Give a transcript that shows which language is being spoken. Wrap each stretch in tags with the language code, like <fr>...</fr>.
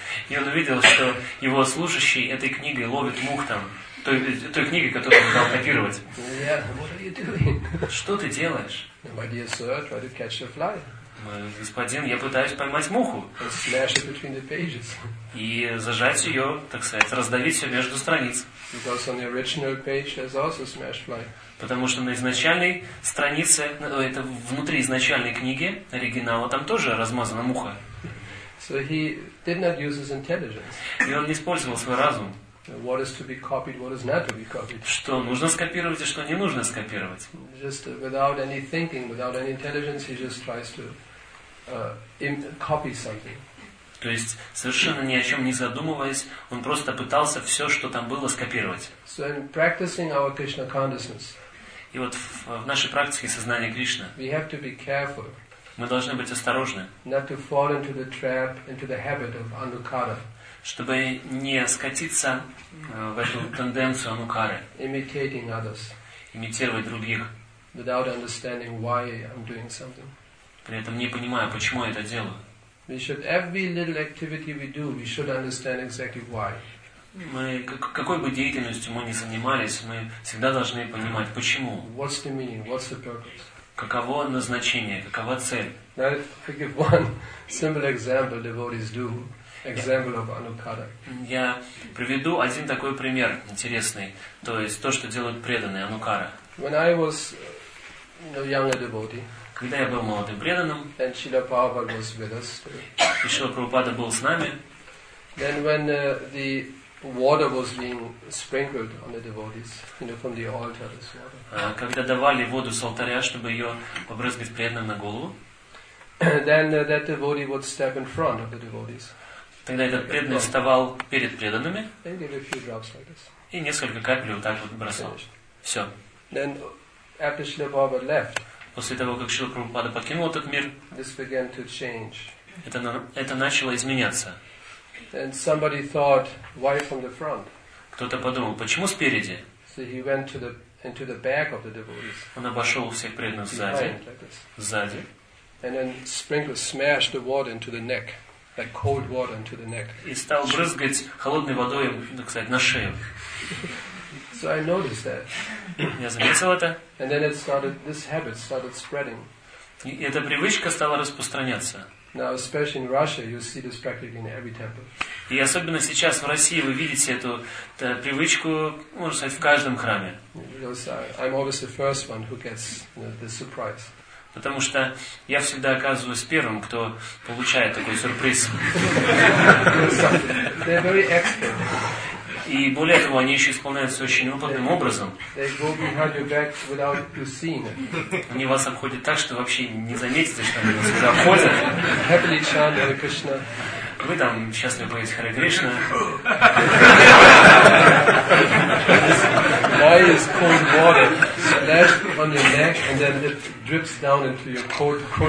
<ru>И он увидел, что его служащий этой книгой ловит мух там, той книги, которую он дал копировать.</ru> <en>Yeah, what are you doing?</en> <ru>Что ты делаешь?</ru> <en>My dear sir, try to catch the fly.</en> <ru>Господин, я пытаюсь поймать муху.</ru> <en>Smash it between the pages.</en> <ru>И зажать ее, так сказать, раздавить все между страниц.</ru> <en>Because on the original page there's also smashed fly.</en> <ru>Потому что на изначальной странице, это внутри изначальной книги, оригинала, там тоже размазана муха.</ru> <en>So he did not use his intelligence.</en> <ru>И он не использовал свой разум.</ru> <en>What is to be copied, what is not to be copied.</en> <ru>Что нужно скопировать и что не нужно скопировать.</ru> <en>Just without any thinking, without any intelligence, he just tries to copy something.</en> <ru>То есть совершенно ни о чем не задумываясь, он просто пытался все, что там было, скопировать.</ru> <en>So in practicing our Krishna consciousness.</en> <ru>И вот в нашей практике сознания Кришны.</ru> <en>We have to be careful.</en> <ru>Мы должны быть осторожны.</ru> <en>Not to fall into the trap, into the habit of anukara.</en> <ru>Чтобы не скатиться в эту тенденцию анукары.</ru> <en>Imitating others.</en> <ru>Имитировать других.</ru> <en>Without understanding why I'm doing something.</en> <ru>При этом не понимая, почему я это делаю.</ru> <en>We should, every little activity we do, we should understand exactly why.</en> <ru>Мы, какой бы деятельностью мы ни занимались, мы всегда должны понимать, почему.</ru> <en>What's the meaning? What's the purpose?</en> <ru>Каково назначение? Какова цель?</ru> <en>Now, if I give one simple example devotees do. Example of anukara.</en> <ru>Я приведу один такой пример интересный, то есть то, что делают преданные анукара.</ru> <en>When I was a younger devotee.</en> <ru>Когда я был молодым преданным.</ru> <en>And Srila Prabhupada was with us.</en> <ru>И Шрила Прабхупада был с нами.</ru> <en>Then when the water was being sprinkled on the devotees, you know, from the altar, this water.</en> <ru>Когда давали воду с алтаря, чтобы ее побрызгать преданным на голову.</ru> <en>Then that devotee would step in front of the devotees.</en> <ru>Тогда этот преданный вставал перед преданными</ru> <en>like</en> <ru>и несколько капель вот так вот бросал. Все.</ru> <en>Then, after Shri Prabhupada left,</en> <ru>после того, как Шрила Прабхупада покинул этот мир,</ru> <en>this began to change.</en> <ru>Это начало изменяться.</ru> <en>And somebody thought, why from the front?</en> <ru>Кто-то подумал, почему спереди?</ru> <en>So he went to the, into the back of the devotees.</en> <ru>Он обошел всех преданных сзади. Сзади.</ru> <en>And then sprinkled, smashed the water into the neck. Like cold water into the neck.</en> <ru>И стал брызгать холодной водой, так сказать, на шею.</ru> <en>So I noticed that.</en> <ru>Я заметил это.</ru> <en>And then it started, this habit started spreading.</en> <ru>И эта привычка стала распространяться.</ru> <en>Now, especially in Russia, you see this practice in every temple.</en> <ru>И особенно сейчас в России вы видите эту привычку, можно сказать, в каждом храме.</ru> <en>Because I'm always the first one who gets, you know, the surprise.</en> <ru>Потому что я всегда оказываюсь первым, кто получает такой сюрприз.</ru> <en>They're very expert.</en> <ru>И более того, они еще исполняются очень опытным образом.</ru> <en>They go behind your back without you seeing it.</en> <ru>Они вас обходят так, что вообще не заметите, что они вас сюда обходят.</ru> <en>Happily chant Hare Krishna.</en> <ru>Вы там счастливо поете Харе Кришна.</ru> <en>Why is cold water splashed on your neck and then it drips down into your cold</en>